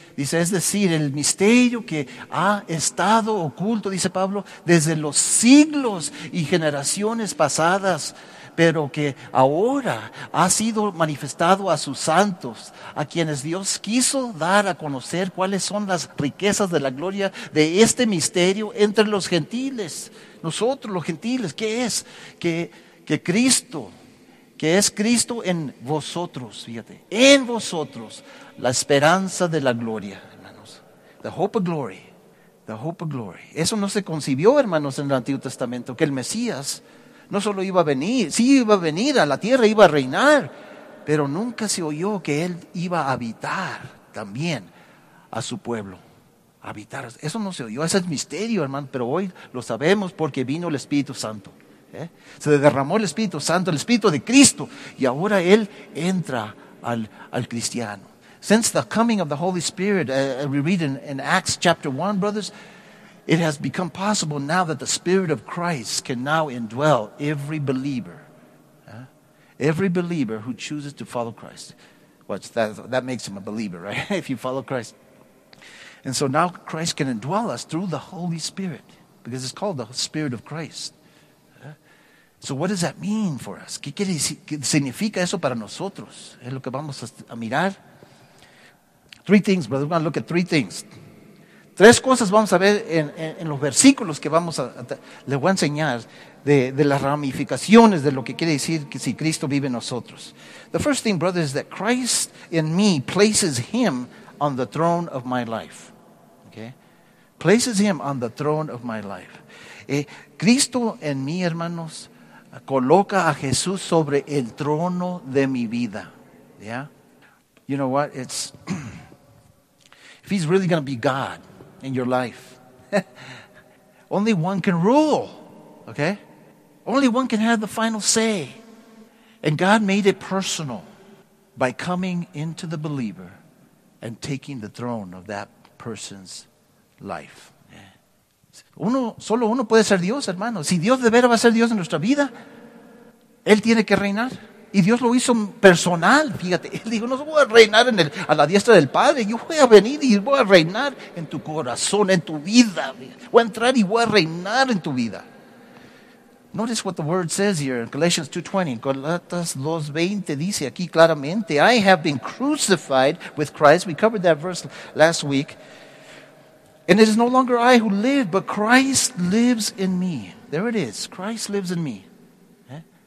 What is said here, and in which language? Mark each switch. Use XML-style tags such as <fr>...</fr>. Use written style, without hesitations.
<es>Dice, es decir, el misterio que ha estado oculto, dice Pablo, desde los siglos y generaciones pasadas, pero que ahora ha sido manifestado a sus santos, a quienes Dios quiso dar a conocer cuáles son las riquezas de la gloria de este misterio entre los gentiles. Nosotros, los gentiles, ¿qué es? Que Cristo, que es Cristo en vosotros, fíjate, en vosotros, la esperanza de la gloria, hermanos.</es> <en>The hope of glory, the hope of glory.</en> <es>Eso no se concibió, hermanos, en el Antiguo Testamento, que el Mesías no solo iba a venir, sí iba a venir a la tierra, iba a reinar, pero nunca se oyó que Él iba a habitar también a su pueblo. Habitar, eso no se oyó, ese es misterio, hermano, pero hoy lo sabemos porque vino el Espíritu Santo. ¿Eh? Se derramó el Espíritu Santo, el Espíritu de Cristo, y ahora Él entra al cristiano.</es> <en>Since the coming of the Holy Spirit, we read in Acts chapter 1, brothers, it has become possible now that the Spirit of Christ can now indwell every believer. Yeah? Every believer who chooses to follow Christ. Watch, that makes him a believer, right? If you follow Christ. And so now Christ can indwell us through the Holy Spirit. Because it's called the Spirit of Christ. Yeah? So what does that mean for us?</en> <es>¿Qué quiere decir? ¿Qué significa eso para nosotros? Es lo que vamos a mirar.</es> <en>Three things, brother. We're going to look at three things.</en> <es>Tres cosas vamos a ver en los versículos que vamos a le voy a enseñar de las ramificaciones de lo que quiere decir que si Cristo vive en nosotros.</es> <en>The first thing, brother, is that Christ in me places him on the throne of my life. Okay? Places him on the throne of my life.</en> <es>Cristo en mí, hermanos, coloca a Jesús sobre el trono de mi vida.</es> <en>Yeah? You know what? It's if he's really going to be God in your life, only one can rule. Okay? Only one can have the final say. And God made it personal by coming into the believer and taking the throne of that person's life.</en> <es>Uno, solo uno puede ser Dios, hermano. Si Dios de veras va a ser Dios en nuestra vida, Él tiene que reinar. Y Dios lo hizo personal, fíjate. Él dijo, no voy a reinar en el, a la diestra del Padre. Yo voy a venir y voy a reinar en tu corazón, en tu vida. Voy a entrar y voy a reinar en tu vida.</es> <en>Notice what the word says here in Galatians 2:20.</en> <es>Galatas 2:20 dice aquí claramente,</es> <en>I have been crucified with Christ. We covered that verse last week. And it is no longer I who live, but Christ lives in me. There it is. Christ lives in me. Yeah.</en>